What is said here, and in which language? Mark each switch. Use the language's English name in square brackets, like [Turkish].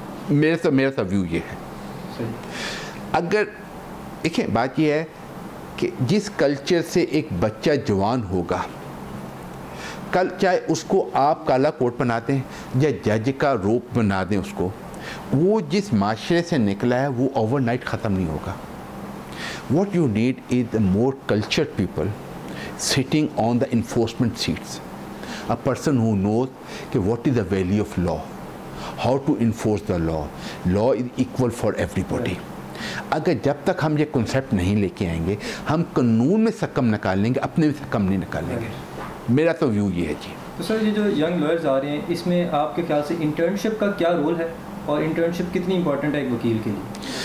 [Urdu] میرا تو ویو یہ ہے. اگر دیکھیں بات یہ ہے کہ جس کلچر سے ایک بچہ جوان ہوگا، کل چاہے اس کو آپ کالا کوٹ بنا دیں یا جج کا روپ بنا دیں اس کو، وہ جس معاشرے سے نکلا ہے وہ اوور نائٹ ختم نہیں ہوگا. [English] What you need is more cultured people sitting on the enforcement seats, a person who knows کہ what is the value of law, how to enforce the law. Law is equal for everybody. [Urdu] اگر جب تک ہم یہ concept نہیں لے کے آئیں گے، ہم قانون میں سکم نکال لیں گے، اپنے میں سکم نہیں نکالیں گے. میرا تو ویو یہ ہے جی. تو سر، یہ جو ینگ لائرز آ رہے ہیں، اس میں آپ کے خیال سے انٹرنشپ کا کیا رول ہے اور انٹرنشپ کتنی امپورٹنٹ ہے ایک وکیل کے لیے؟